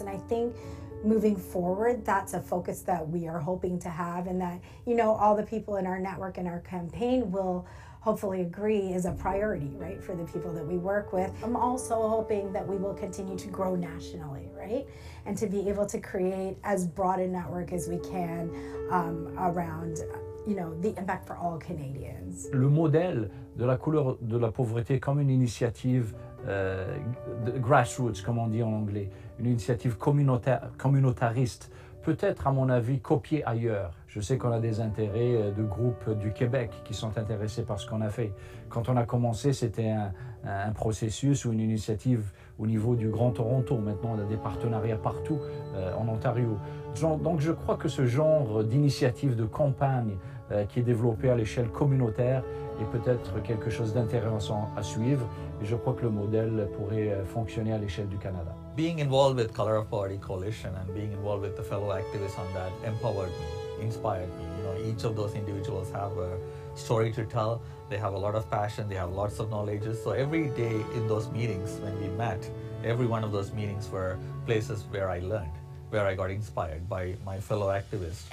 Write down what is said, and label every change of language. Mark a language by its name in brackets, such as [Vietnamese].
[English] And I think moving forward, that's a focus that we are hoping to have, and that, you know, all the people in our network and our campaign will hopefully agree is a priority, right, for the people that we work with. I'm also hoping that we will continue to grow nationally, right, and to be able to create as broad a network as we can around, you know, the impact for all Canadians. [French] Le modèle de la couleur de la pauvreté comme une initiative grassroots, comme on dit en anglais, une initiative communautariste, peut-être, à mon avis, copiée ailleurs. Je sais qu'on a des intérêts de groupes du Québec qui sont intéressés par ce qu'on a fait. Quand on a commencé, c'était un processus ou une initiative au niveau du Grand Toronto. Maintenant, on a des partenariats partout en Ontario. Donc, je crois que ce genre d'initiative, de campagne qui est développée à l'échelle communautaire est peut-être quelque chose d'intéressant à suivre. Et je crois que le modèle pourrait fonctionner à l'échelle du Canada. [English] Being involved with Color of Poverty Coalition and being involved with the fellow activists on that empowered me, inspired me. You know, each of those individuals have a story to tell. They have a lot of passion, they have lots of knowledge. So every day in those meetings when we met, every one of those meetings were places where I learned, where I got inspired by my fellow activists.